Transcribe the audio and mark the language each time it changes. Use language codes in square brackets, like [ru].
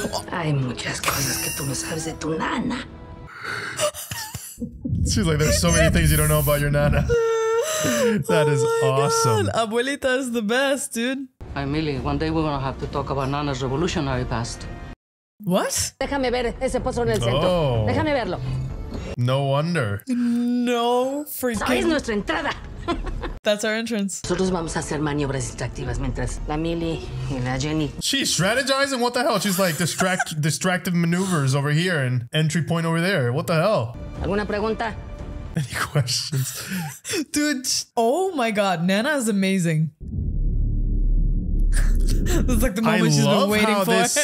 [es] Hay muchas cosas que tú no sabes de tu nana. [en] She's like, there's so many things you don't know about your nana. That is awesome. God. Abuelita is the best, dude. Hi, Millie. One day we're going to have to talk about nana's revolutionary past. What? [es] Déjame ver ese pozo en el centro. Déjame verlo. [en] No wonder. No freaking. [es] Es nuestra entrada. [en] That's our entrance. [es] Nosotros vamos a hacer maniobras distractivas mientras la Millie y la Jenny. [en] She's strategizing? What the hell? She's like distractive maneuvers over here and entry point over there. What the hell? [es] ¿Alguna pregunta? [en] Any questions? Dude, oh my god, Nana is amazing. It's like the moment she's been waiting for.